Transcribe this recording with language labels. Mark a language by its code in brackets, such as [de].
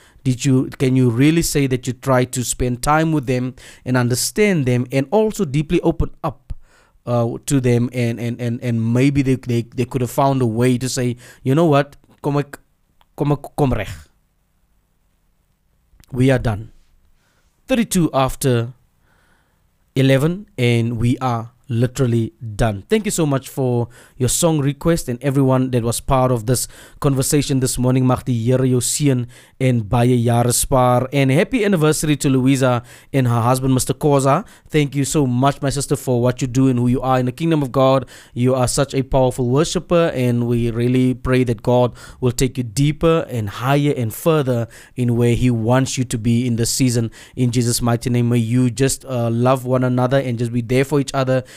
[en] Can you really say that you try to spend time with them and understand them and also deeply open up to them, and maybe they could have found a way to say, you know what, komrech, we are done. 32 after 11 and we are literally done. Thank you so much for your song request and everyone that was part of this conversation this morning. [af] Mag die Here jou seën en baie jare spaar. [en] And happy anniversary to Louisa and her husband, Mr. Koza. Thank you so much, my sister, for what you do and who you are in the kingdom of God. You are such a powerful worshiper, and we really pray that God will take you deeper and higher and further in where he wants you to be in this season. In Jesus' mighty name, may you just love one another and just be there for each other.